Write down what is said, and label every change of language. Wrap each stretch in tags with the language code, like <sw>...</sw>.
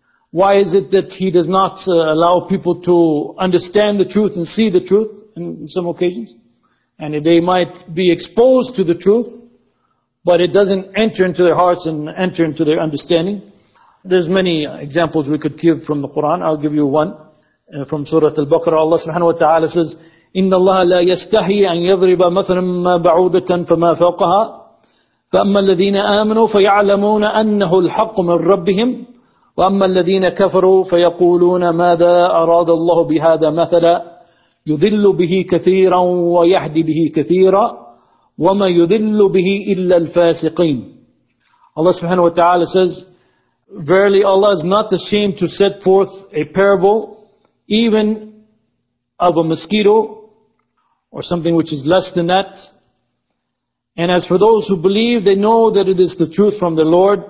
<en>Why is it that He does not allow people to understand the truth and see the truth in some occasions? And they might be exposed to the truth, but it doesn't enter into their hearts and enter into their understanding. There's many examples we could give from the Quran. I'll give you one from Surah Al-Baqarah.</en> <ar>Allah subhanahu wa ta'ala says, إِنَّ اللَّهَ لَا يَسْتَحِي أَنْ يَضْرِبَ مَثَلًا مَا بَعُوضَةً فَمَا فَوْقَهَا فَأَمَّا الَّذِينَ آمَنُوا فَيَعْلَمُونَ أَنَّهُ الْحَقُّ مِنْ رَبِّهِمْ وَأَمَّا الَّذِينَ كَفَرُوا فَيَقُولُونَ مَاذَا أَرَادَ اللَّهُ بِهَذَا مَثَلًا يُذِلُّ بِهِ كَثِيرًا وَيَهْدِي بِهِ كَثِيرًا وَمَا يُذِلُّ بِهِ إِلَّا الْفَاسِقِينَ.</ar> <en>Allah subhanahu wa ta'ala says, verily Allah is not ashamed to set forth a parable even of a mosquito or something which is less than that. And as for those who believe, they know that it is the truth from the Lord.</en>